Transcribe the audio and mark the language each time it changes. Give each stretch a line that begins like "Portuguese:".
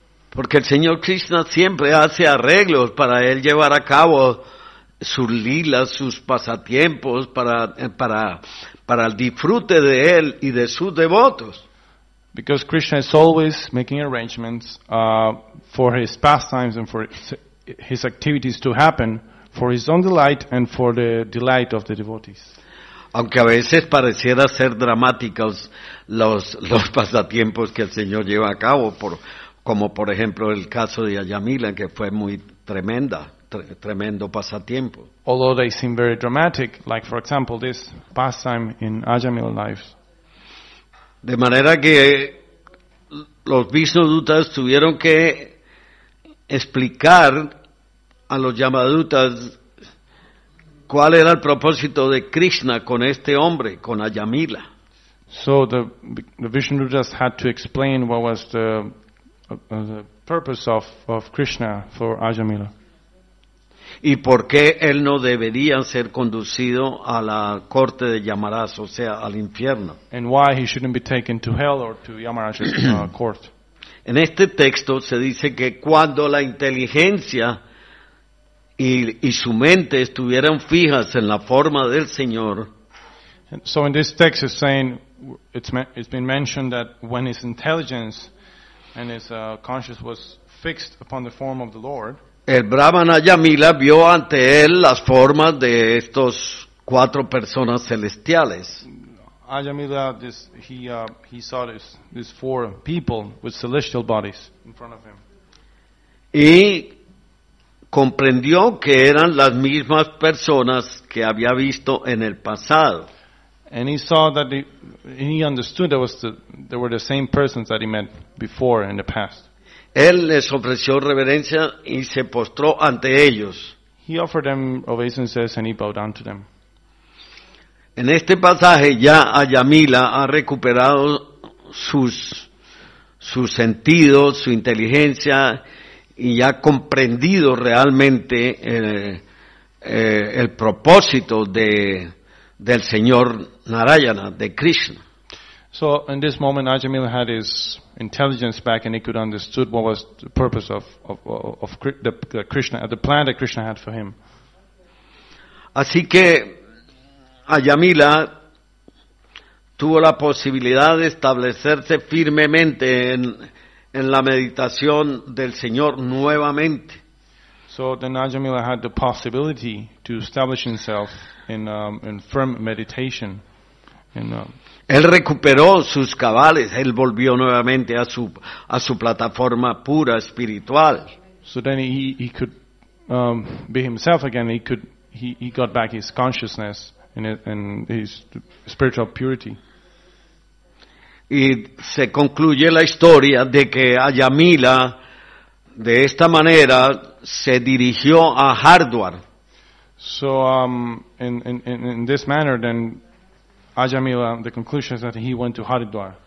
Spanish: Porque el Señor Krishna siempre hace arreglos para él llevar a cabo sus lilas, sus pasatiempos para el disfrute de él y de sus devotos.
English: Because Krishna is always making arrangements for his pastimes and for his activities to happen for his own delight and for the delight of the devotees.
Spanish: Aunque a veces pareciera ser dramáticos los pasatiempos que el Señor lleva a cabo, como por ejemplo el caso de Ajamila, que fue muy tremenda. Tremendo pasatiempo.
English: Although they seem very dramatic, like for example this pastime in Ajamil's lives.
Spanish: De manera que los Vishnudutas tuvieron que explicar a los Yamadutas cuál era el propósito de Krishna con este hombre, con Ajamila.
English: So the Vishnudutas had to explain what was the purpose of Krishna for Ajamila.
Spanish: Y por qué él no debería ser conducido a la corte de Yamaraj, o sea, al infierno.
English: And why he shouldn't be taken to hell or to Yamaraj's court.
Spanish: En este texto se dice que cuando la inteligencia y su mente estuvieran fijas en la forma del Señor.
English: And so in this text it's saying, it's been mentioned that when his intelligence and his conscience was fixed upon the form of the Lord.
Spanish: El Brahman Ajamila vio ante él las formas de estos cuatro personas celestiales.
English: Ajamila, he saw these four people with celestial bodies in front of him.
Spanish: Y comprendió que eran las mismas personas que había visto en el pasado.
English: And he saw that he understood that they were the same persons that he met before in the past.
Spanish: Él les ofreció reverencia y se postró ante ellos.
English: He offered them obeisances and he bowed down to them.
Spanish: En este pasaje ya Ajamila ha recuperado sus sentidos, su inteligencia y ha comprendido realmente el propósito del Señor Narayana, de Krishna.
English: So in this moment Ajamila had his intelligence back and he could understood what was the purpose of the Krishna, the plan that Krishna had for him.
Spanish: Así que Ajamila tuvo la posibilidad de establecerse firmemente en la meditación del Señor nuevamente.
English: So then Ajamila had the possibility to establish himself in firm meditation.
Spanish: Él recuperó sus cabales, él volvió nuevamente a su plataforma pura espiritual.
English: So then he could be himself again. He got back his consciousness and his spiritual purity.
Spanish: Y se concluye la historia de que Ajamila de esta manera se dirigió a Hardwar.
English: So in this manner then Ajamila the conclusion is that he went to Haridwar.